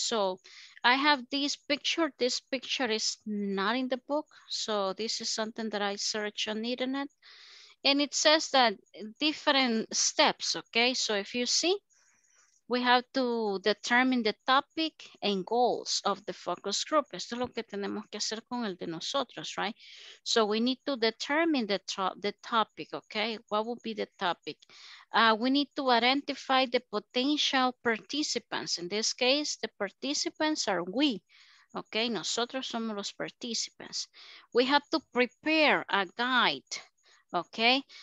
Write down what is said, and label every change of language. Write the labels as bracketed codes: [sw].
[en] So I have this picture is not in the book. So this is something that I searched on the internet. And it says that different steps, okay? So if you see, we have to determine the topic and goals of the focus group. [es] Esto es lo que tenemos que hacer con el de nosotros, right? [en] So we need to determine the topic, okay? What will be the topic? We need to identify the potential participants. In this case, the participants are we, okay? [es] Nosotros somos los [en] participants. We have to prepare a guide Okay.